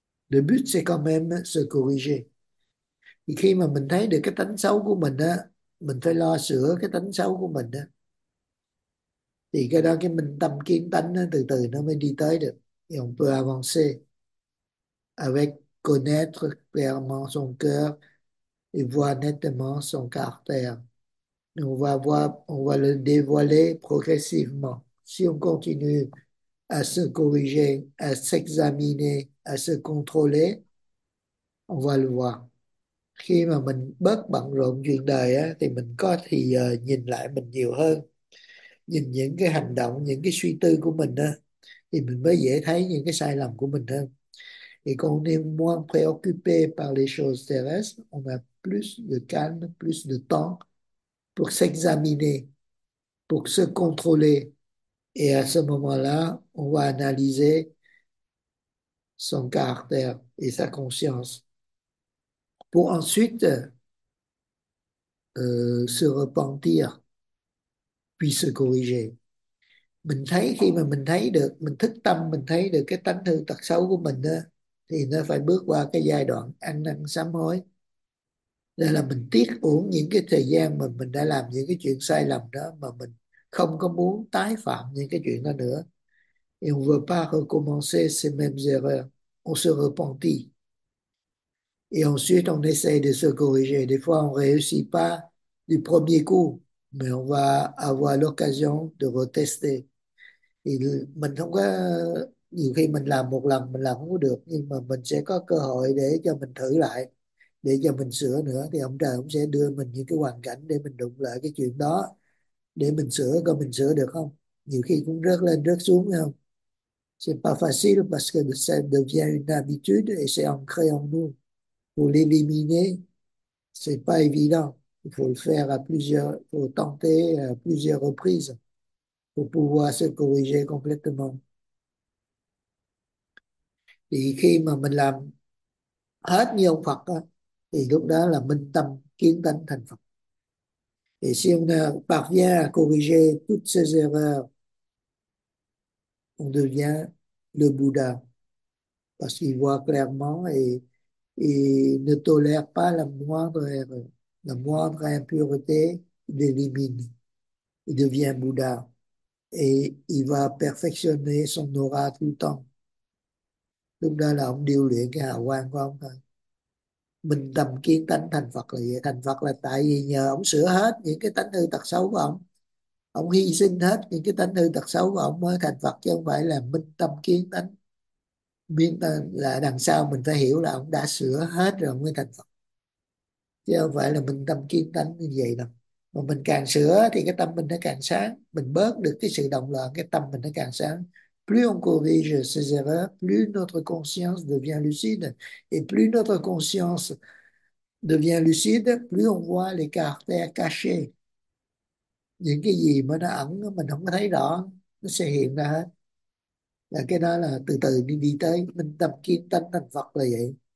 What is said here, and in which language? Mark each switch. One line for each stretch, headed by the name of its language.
French: Le but, c'est quand même se corriger. Et
Vietnamese: khi mà mình thấy được cái tánh xấu của mình á, mình phải lo sửa cái tánh xấu của mình á. Thì cái đó cái mình tâm kiến tánh nó từ từ nó mới đi tới được.
French: Et on peut avancer avec connaître clairement son cœur et voir nettement son caractère. On va le dévoiler progressivement. Si on continue à se corriger, à s'examiner, à se contrôler, on va le voir.
Vietnamese: Khi mà mình bớt bận rộn chuyện đời á, thì mình có thì giờ nhìn lại mình nhiều hơn. Nhìn những cái hành động, những cái suy tư của mình đó, thì mình mới dễ thấy những cái sai lầm của mình hơn.
French: Et quand on est moins préoccupé par les choses terrestres, on a plus de calme, plus de temps pour s'examiner, pour se contrôler. Et à ce moment-là, on va analyser son caractère et sa conscience pour ensuite se repentir, puis se corriger.
Vietnamese: Mình thấy khi mà mình thấy được, mình thức tâm, mình thấy được cái tánh hư tật xấu của mình đó, thì nó phải bước qua cái giai đoạn ăn năn sám hối. Đây là mình tiếc uổng những cái thời gian mà mình đã làm những cái chuyện sai lầm đó mà mình không có muốn tái phạm những cái chuyện đó nữa.
French: Et on veut pas recommencer ces mêmes erreurs. On se repentit. Et ensuite, on essaie de se corriger. Des fois, on réussit pas du premier coup, mais on va avoir l'occasion de retester. Et
Vietnamese: mình không có, nhiều khi mình làm một lần mình làm không có được, nhưng mà mình sẽ có cơ hội để cho mình thử lại, để cho mình sửa nữa, thì ông trời cũng sẽ đưa mình những cái hoàn cảnh để mình đụng lại cái chuyện đó để mình sửa, coi mình sửa được không. Nhiều khi cũng rớt lên rớt xuống, không
French: c'est pas facile parce que ça devient une habitude et c'est ancré en nous. Pour l'éliminer, c'est pas évident. Il faut le faire à plusieurs, faut tenter à plusieurs reprises pour pouvoir se corriger complètement.
Vietnamese: Thì khi mà mình làm hết như ông Phật đó, thì lúc đó là minh tâm kiến tánh thành Phật.
French: Et si on parvient à corriger toutes ces erreurs, on devient le Bouddha parce qu'il voit clairement et ne tolère pas la moindre erreur. La moindre impureté, il l'élimine. Il devient Bouddha. Et il va perfectionner son aura tout le temps.
Vietnamese: Lúc đó là ông điêu luyện cái hào quang của ông thôi. Mình tâm kiến tánh thành Phật là vậy. Thành Phật là tại vì nhờ ông sửa hết những cái tánh hư tật xấu của ông. Ông hy sinh hết những cái tánh hư tật xấu của ông mới thành Phật, chứ không phải là minh tâm kiến tánh. biết là đằng sau mình phải hiểu là ông đã sửa hết rồi mới thành Phật, chứ không phải là mình tâm kiên tánh như vậy đâu. Mà mình càng sửa thì cái tâm mình nó càng sáng, mình bớt được cái sự động loạn, cái tâm mình nó càng sáng.
French: Plus on corrige ses erreurs, plus notre conscience devient lucide. Et plus notre conscience devient lucide, plus on voit les caractères cachés.
Vietnamese: Những cái gì mà nó ẩn, mình không có thấy rõ, nó sẽ hiện ra hết. Là cái đó là từ từ đi đi tới mình tập kiên tánh thành Phật là vậy.